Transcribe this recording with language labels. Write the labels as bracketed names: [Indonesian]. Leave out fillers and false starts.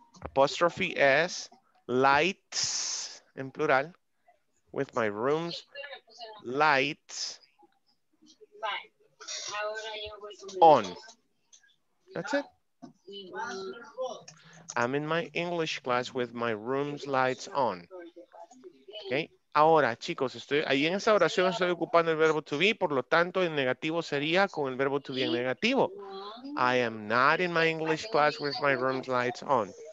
[Spanish] Apóstrofe S. [English] Lights. [Spanish] En plural. [English] With my rooms. Lights. On. That's it. I'm in my English class with my room's lights on. Okay. [Spanish] Ahora, chicos, estoy ahí en esa oración, estoy ocupando el verbo to be, por lo tanto, el negativo sería con el verbo to be en negativo. [English] I am not in my English class with my room's lights on.